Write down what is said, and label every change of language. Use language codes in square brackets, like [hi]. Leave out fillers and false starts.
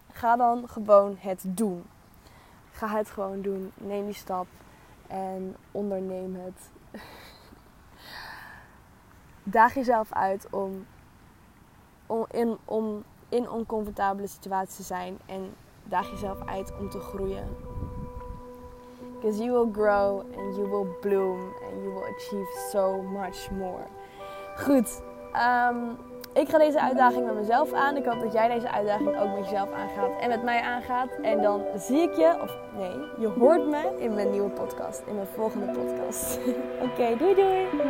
[nl] Ga dan gewoon het doen. Ga het gewoon doen. Neem die stap en onderneem het. Daag jezelf uit om in oncomfortabele situaties te zijn. En daag jezelf uit om te groeien. [en] Because you will grow and you will bloom. And you will achieve so much more. [nl] Goed. Ik ga deze uitdaging met mezelf aan. Ik hoop dat jij deze uitdaging ook met jezelf aangaat en met mij aangaat. En dan zie ik je, of nee, je hoort me in mijn nieuwe podcast, in mijn volgende podcast. Oké, doei doei!